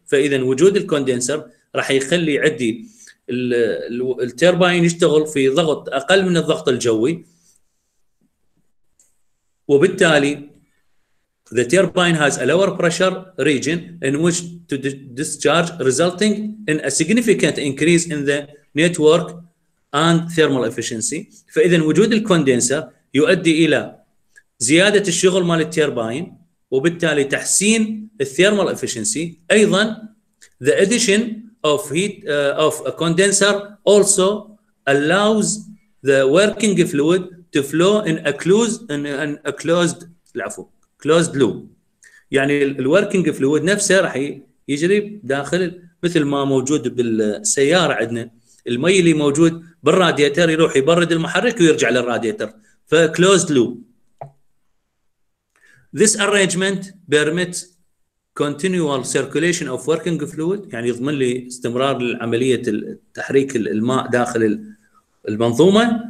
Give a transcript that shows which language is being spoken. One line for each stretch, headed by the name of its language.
Arabic: فإذا وجود الكوندنسر راح يخلي عندي التيرباين يشتغل في ضغط أقل من الضغط الجوي، وبالتالي
English: the turbine has a lower pressure region in which to discharge resulting in a significant increase in the network and thermal efficiency.
Arabic: فإذا وجود الكوندنسر يؤدي الى زياده الشغل مال التيرباين وبالتالي تحسين الثيرمال افشنسي. ايضا
English: the addition of heat of a condenser also allows the working fluid to flow in a closed in an a closed
Arabic: العفو
English: closed loop.
Arabic: يعني الوركينج فلويد نفسه راح يجري داخل مثل ما موجود بالسياره عندنا، المي اللي موجود بالرادياتير يروح يبرد المحرك ويرجع للرادياتير، فكلوزد لوب.
English: This arrangement permits continual circulation of working fluid،
Arabic: يعني يضمن لي استمرار لعملية تحريك الماء داخل المنظومة.